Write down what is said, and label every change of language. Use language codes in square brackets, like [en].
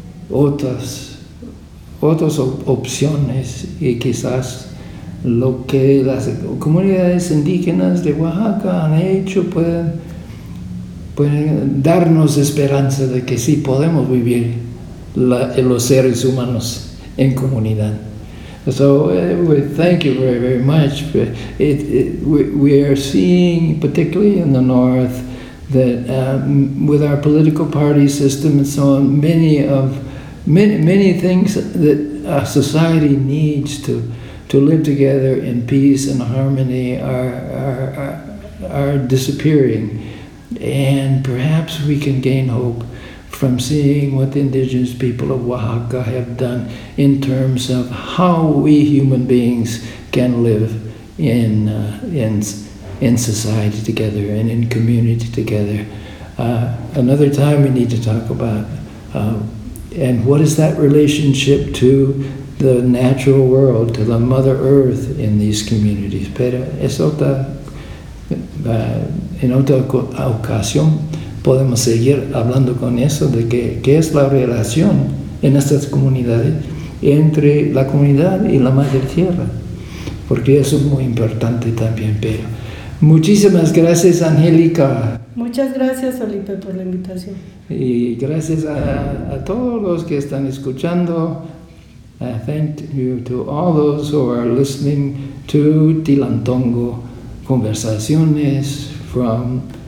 [es] otras opciones, y quizás lo que las comunidades indígenas de Oaxaca han hecho pueden darnos esperanza de que sí podemos vivir los seres humanos en comunidad. [en] So we thank you very, very much. We are seeing, particularly in the North, that with our political party system and so on, many things that a society needs to live together in peace and harmony are disappearing. And perhaps we can gain hope from seeing what the indigenous people of Oaxaca have done in terms of how we human beings can live in society together and in community together. Another time we need to talk about and what is that relationship to the natural world, to the Mother Earth in these communities. [es] Pero es otra, en otra ocasión podemos seguir hablando con eso, de qué es la relación en estas comunidades entre la comunidad y la Madre Tierra, porque eso es muy importante también. Pero muchísimas gracias, Angélica. Muchas gracias, Felipe, por la invitación. Y gracias a todos los que están escuchando. [en] Thank you to all those who are listening to Tilantongo Conversaciones from